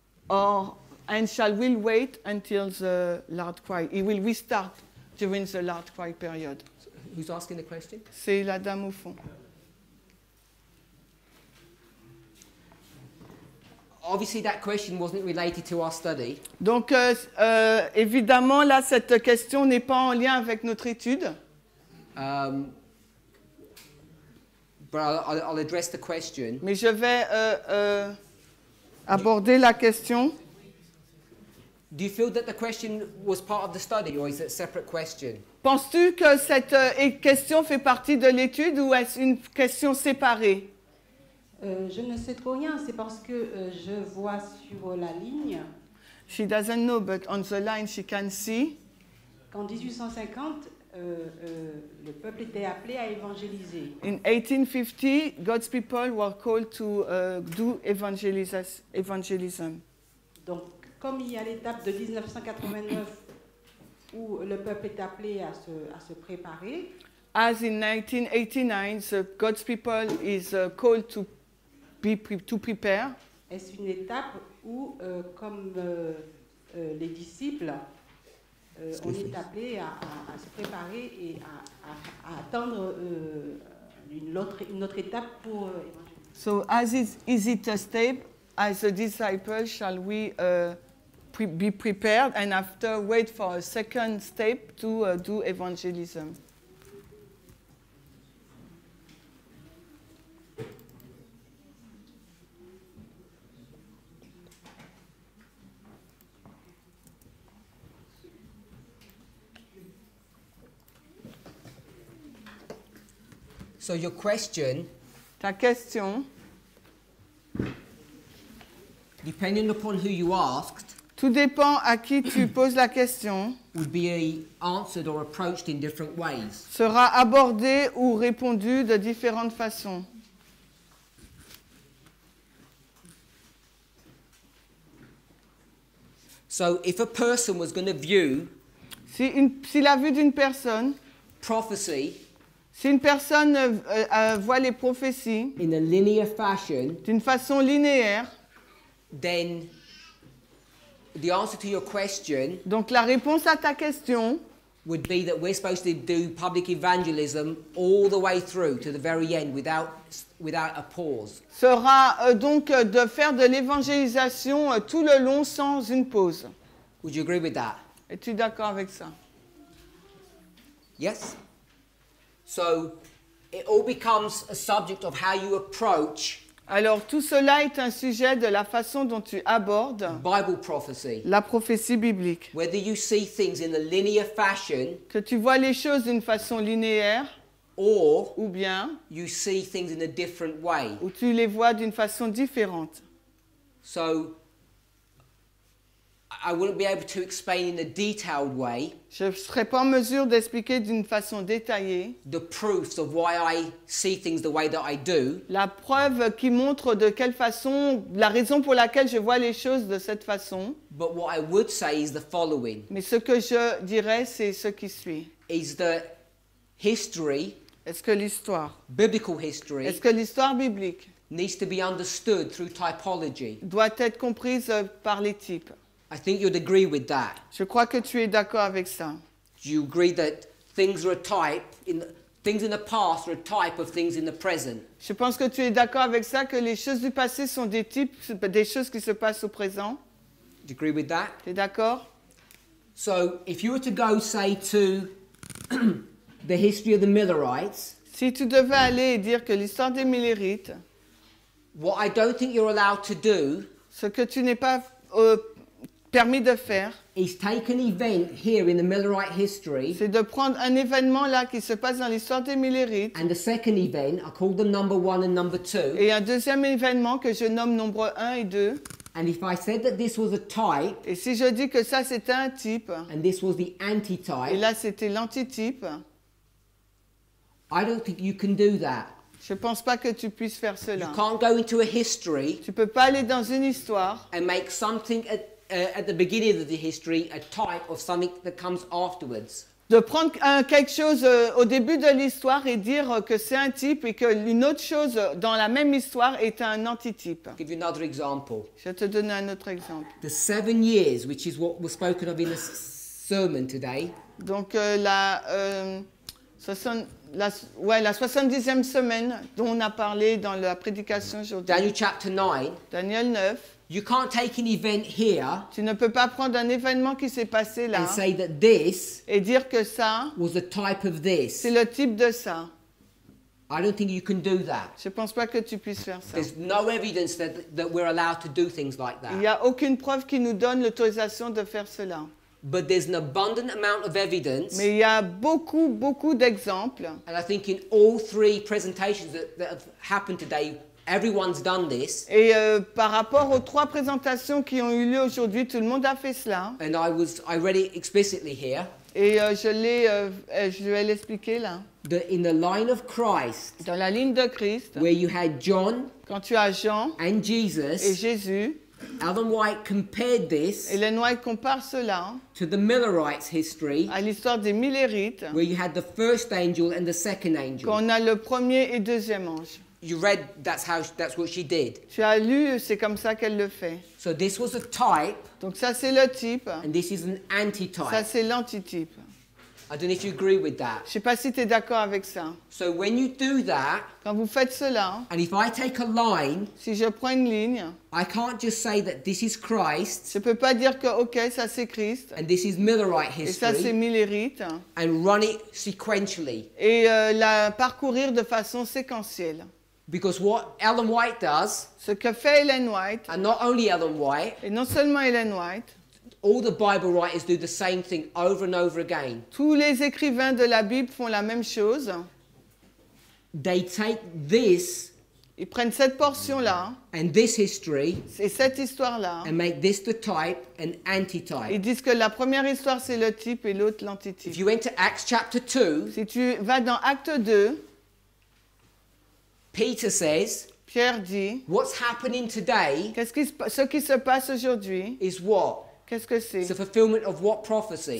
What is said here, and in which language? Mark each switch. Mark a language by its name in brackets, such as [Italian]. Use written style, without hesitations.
[English] And shall we wait until the loud cry? It will restart during the loud cry period. So, who's asking the question? [French] C'est la dame au fond. [English] Obviously, that question wasn't related to our study. [French] Donc, évidemment, là, cette question n'est pas en lien avec notre étude. [English] But I'll address the question. [French] Mais je vais aborder la question. [English] Do you feel that the question was part of the study, or is it a separate question? [French] Penses-tu que cette question fait partie de l'étude, ou est-ce une question séparée? Je ne sais trop rien, c'est parce que je vois sur la ligne. [English] She doesn't know, but on the line she can see. [French] Qu'en 1850, le peuple était appelé à évangéliser. [English] In 1850, God's people were called to do evangelism. [French] Donc, comme il y a l'étape de 1989 où le peuple est appelé à se préparer. As in 1989, God's people is called to prepare. Est-ce une étape où, comme les disciples, on est appelé à se préparer et à attendre une autre étape pour [English] So as is it a step as a disciple shall we be prepared and after wait for a second step to do evangelism. So your question. [French] Ta question. [English] Depending upon who you asked. [French] Tout dépend à qui tu poses la question. [English] Would be answered or approached in different ways. [French] Sera abordé ou répondu de différentes façons. [English] So if a person was going to view. [French] Si la vue d'une personne. [English] Prophecy. [French] Si une personne voit les prophéties [English] in a linear fashion, [French] d'une façon linéaire, [English] then the answer to your question, [French] donc la réponse à ta question [English] would be that we're supposed to do public evangelism all the way through to the very end without a pause. [French] Sera donc de faire de l'évangélisation tout le long sans une pause. [English] Would you agree with that? [French] Es-tu d'accord avec ça? [English] Yes. So it all becomes a subject of how you approach. [French] Alors tout cela est un sujet de la façon dont tu abordes [English] Bible prophecy. [French] La prophétie biblique. [English] Whether you see things in a linear fashion, [French] que tu vois les choses d'une façon linéaire, [English] or [French] ou bien [English] you see things in a different way. [French] Ou tu les vois d'une façon différente. [English] So I wouldn't be able to explain in a detailed way. [French] Je ne serais pas en mesure d'expliquer d'une façon détaillée [English] the proofs of why I see things the way that I do. [French] La preuve qui montre de quelle façon, la raison pour laquelle je vois les choses de cette façon. [English] But what I would say is the following. [French] Mais ce que je dirais, c'est ce qui suit. [English] Is the history? [French] Est-ce que l'histoire? [English] Biblical history. [French] Est-ce que l'histoire biblique? [English] Needs to be understood through typology. [French] Doit être comprise par les types. [English] I think you'd agree with that. [French] Je crois que tu es d'accord avec ça. [English] Do you agree that things are a type in things in the past are a type of things in the present? [French] Je pense que tu es d'accord avec ça que les choses du passé sont des types des choses qui se passent au présent. [English] Do you agree with that? [French] Tu es d'accord? [English] So, if you were to go say to the history of the Millerites, [French] si tu devais aller et dire que l'histoire des Millerites, [English] what I don't think you're allowed to do, [French] ce que tu n'es pas permis de faire. [English] He's taken event here in the Millerite history. [French] C'est de prendre un événement là qui se passe dans l'histoire des Millerites. [English] And the second event, I call them number one and number two. [French] Et un deuxième événement que je nomme nombre 1 et 2. [English] And if I said that this was a type. [French] Et si je dis que ça c'était un type. [English] And this was the anti-type. [French] Et là c'était l'antitype. [English] I don't think you can do that. [French] Je ne pense pas que tu puisses faire cela. [English] You can't go into a history. [French] Tu ne peux pas aller dans une histoire. [English] And make something at the beginning of the history, a type of something that comes afterwards. [French] De prendre quelque chose au début de l'histoire et dire que c'est un type et que une autre chose dans la même histoire est un antitype. [English] Give you another example. [French] Je te donne un autre exemple. [English] The 7 years, which is what was spoken of in the sermon today. [French] Donc la 70e semaine dont on a parlé dans la prédication aujourd'hui. [English] Daniel chapter 9. [French] Daniel 9. [English] You can't take an event here. [French] Tu ne peux pas prendre un événement qui s'est passé là. [English] And say that this. [French] Et dire que ça. [English] Was the type of this. [French] C'est le type de ça. [English] I don't think you can do that. [French] Je ne pense pas que tu puisses faire ça. [English] There's no evidence that we're allowed to do things like that. [French] Il n'y a aucune preuve qui nous donne l'autorisation de faire cela. [English] But there's an abundant amount of evidence. [French] Mais il y a beaucoup, beaucoup d'exemples. [English] And I think in all three presentations that have happened today. Everyone's done this. [French] Et par rapport aux trois présentations qui ont eu lieu aujourd'hui, tout le monde a fait cela. [English] And I read it explicitly here. [French] Et je vais l'expliquer là. [English] In the line of Christ. [French] Dans la ligne de Christ. [English] Where you had John. [French] Quand tu as Jean. [English] And Jesus. [French] Et Jésus. [English] Ellen White compared this. [French] Ellen White compare cela. [English] To the Millerites' history. [French] À l'histoire des Millerites. [English] Where you had the first angel and the second angel. [French] Quand on a le premier et deuxième ange. [English] You read that's how that's what she did. [French] Tu as lu, c'est comme ça qu'elle le fait. [English] So this was a type. [French] Donc ça c'est le type. [English] And this is an anti-type. [French] Ça c'est l'antitype. [English] I don't know if you agree with that. [French] Je sais pas si tu es d'accord avec ça. [English] So when you do that, [French] quand vous faites cela, [English] and if I take a line, [French] si je prends une ligne, [English] I can't just say that this is Christ. [French] Je peux pas dire que OK, ça c'est Christ. [English] And this is Millerite history. [French] Et ça c'est Millerite. [English] And run it sequentially. [French] Et la parcourir de façon séquentielle. [English] Because what Ellen White does, [French] ce que fait Ellen White, [English] and not only Ellen White, [French] et non seulement Ellen White. [English] All the Bible writers do the same thing over and over again. [French] Tous les écrivains de la Bible font la même chose. [English] They take this, [French] ils prennent cette portion là, [English] and this history, [French] et cette histoire là, [English] and make this the type and anti-type. [French] Ils disent que la première histoire c'est le type et l'autre l'antitype. [English] If you went to Acts chapter 2, [French] si tu vas dans Acte 2, [English] Peter says, [French] Pierre dit, [English] what's happening today? [French] Ce qui se passe aujourd'hui [English] is what? [French] Qu'est-ce que c'est? [English] The fulfillment of what prophecy?